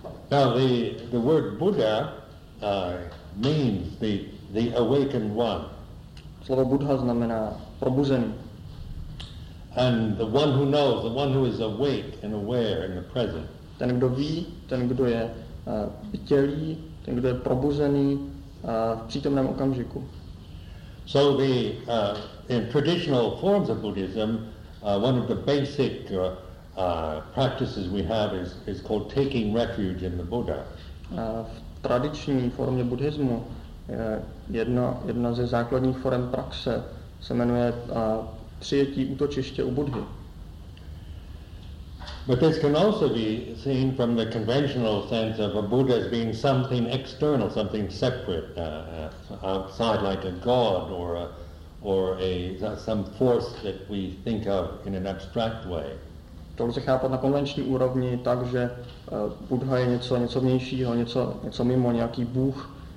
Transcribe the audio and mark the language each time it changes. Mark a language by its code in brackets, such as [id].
[en] Now the word Buddha means the awakened one. [cs] Slovo Buddha znamená probuzený. [en] And the one who knows, the one who is awake and aware in the present. [cs] Ten, kdo ví, ten, kdo je vytělý, ten, kdo je probuzený v přítomném okamžiku. [en] So the in traditional forms of Buddhism, one of the basic practices we have is called taking refuge in the Buddha. [cs] V tradiční formě buddhismu jedna ze základních forem praxe se jmenuje přijetí útočiště u Buddhy. [en] But this can also be seen from the conventional sense of a Buddha as being something external, something separate, outside, like a god or some force that we think of in an abstract way. [cs] To lze chápat na konvenční úrovni tak, že Buddha je něco vnějšího, něco mimo, nějaký bůh.